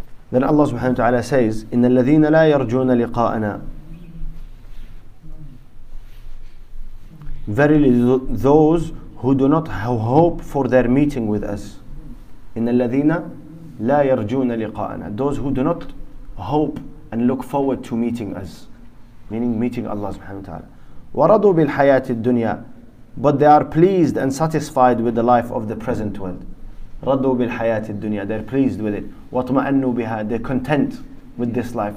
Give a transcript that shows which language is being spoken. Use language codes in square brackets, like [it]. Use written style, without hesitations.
[en] Then Allah subhanahu wa ta'ala says, [ar] إِنَّ الَّذِينَ لَا يَرْجُونَ لِقَاءَنَا. [en] Verily those who do not have hope for their meeting with us. [ar] إِنَّ الَّذِينَ لا يرجون لقاءنا. [en] Those who do not hope and look forward to meeting us, meaning meeting Allah subhanahu wa ta'ala. [ar] ورضوا بالحياة الدنيا, [en] but they are pleased and satisfied with the life of the present world. [ar] رضوا بالحياة الدنيا, [en] they're pleased with it. [ar] وطمأنوا بها, [en] they're content with this life.